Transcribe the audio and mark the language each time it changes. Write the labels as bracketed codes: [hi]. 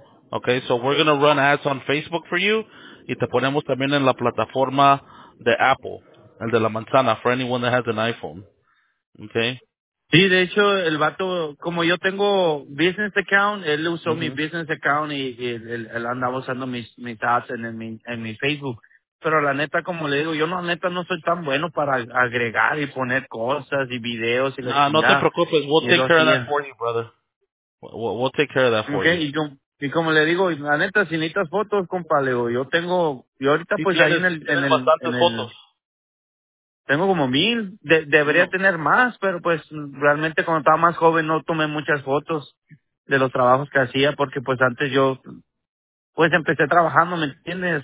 [en] Okay, so we're gonna run ads on Facebook for you, [es] y te ponemos también en la plataforma de Apple, el de la manzana, [en] for anyone that has an iPhone. Okay. [es] Sí, de hecho, el vato, como yo tengo business account, él usó mi business account y él andaba usando mis ads en mi Facebook. Pero la neta, como le digo, yo no, la neta, no soy tan bueno para agregar y poner cosas y videos. Y no te preocupes, [en] we'll take care of that for you, brother. We'll take care of that for you. [es] Y como le digo, la neta, si necesitas fotos, compa, le digo, yo tengo, y ahorita sí, pues tienes, ahí en el... Tienes bastantes fotos. Tengo como 1,000, debería tener más, pero pues realmente cuando estaba más joven no tomé muchas fotos de los trabajos que hacía, porque pues antes yo pues empecé trabajando, ¿me entiendes?